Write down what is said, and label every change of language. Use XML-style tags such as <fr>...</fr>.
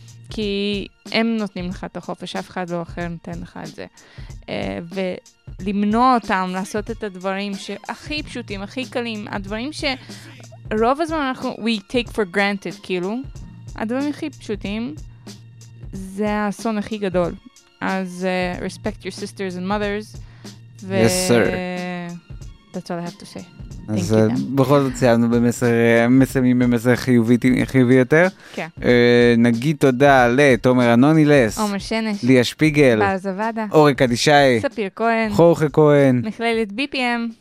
<he>כי הם נותנים לך את החופש, אף אחד לא אחר נותן לך את זה. ולמנוע אותם, לעשות את הדברים שהכי פשוטים, הכי קלים, הדברים שרוב הזמן אנחנו,</he> <en>we take for granted,</en> <he>כאילו, הדברים הכי פשוטים, זה האסון הכי גדול.</he> <en>אז respect your sisters and mothers. Yes, sir. That's all I have to say.</en> <he>אז בכל זאת ציינו במסר, מסיימים במסר חיובי יותר. נגיד תודה לתומר אנונילס, עומר שנש, ליה שפיגל, אורי קדישאי, ספיר כהן, חורכה כהן, מכללת BPM,</he>